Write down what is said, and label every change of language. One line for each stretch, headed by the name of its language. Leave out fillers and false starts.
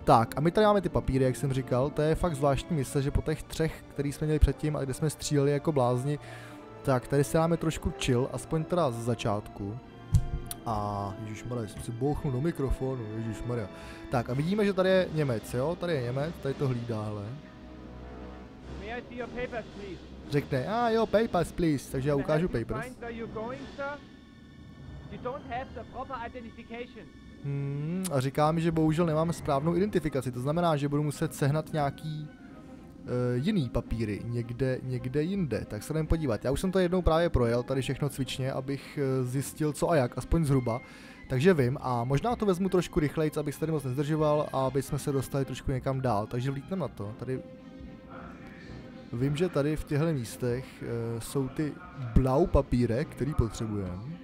Czech: Tak a my tady máme ty papíry, jak jsem říkal, to je fakt zvláštní mysle, že po těch 3, který jsme měli předtím a kde jsme stříleli jako blázni, tak tady si dáme trošku chill, aspoň teda z začátku. A ježišmarja, jsem si bouchnul do mikrofonu, ježišmarja. Tak a vidíme, že tady je Němec, jo? Tady je Němec, tady to hlídá, hele.
English: May I see your papers, please?
Czech: Řekne, a jo,
English: papers, please,
Czech: takže já ukážu papers.
English: Where are you going, sir? You don't have the proper identification.
Czech: A říká mi, že bohužel nemám správnou identifikaci, to znamená, že budu muset sehnat nějaký jiný papíry, někde jinde, tak se jdem podívat. Já už jsem to jednou právě projel, tady všechno cvičně, abych zjistil co a jak, aspoň zhruba, takže vím a možná to vezmu trošku rychlejc, abych se tady moc nezdržoval a aby jsme se dostali trošku někam dál, takže vlítnem na to, tady vím, že tady v těchto místech jsou ty blau papíry, který potřebujeme.